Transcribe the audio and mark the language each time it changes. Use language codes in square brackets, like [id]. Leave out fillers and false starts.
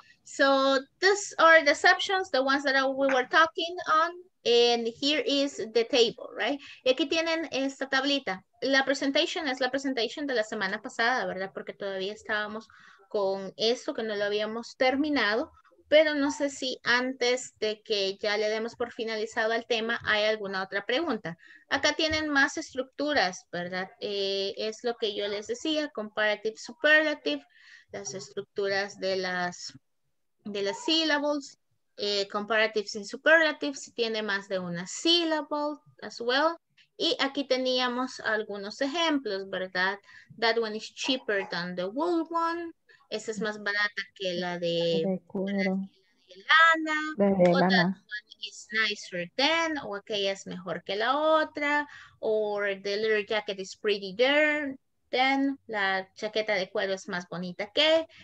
[en] So these are the exceptions, the ones that we were talking on. And here is the table, right? [es] Y aquí tienen esta tablita. La presentation es la presentation de la semana pasada, ¿verdad? Porque todavía estábamos con esto que no lo habíamos terminado. Pero no sé si antes de que ya le demos por finalizado al tema, hay alguna otra pregunta. Acá tienen más estructuras, ¿verdad? Es lo que yo les decía, comparative, superlative, las estructuras de las syllables, [en] comparatives and superlatives, [es] si tiene más de una syllable [en] as well. [es] Y aquí teníamos algunos ejemplos, ¿verdad? [en] That one is cheaper than the wool one. [es] Esa es más barata que la de lana. [en] It's nicer than, [es] o aquella es mejor que la otra. [en] Or the leather jacket is prettier than. [es] La chaqueta de cuero es más bonita que.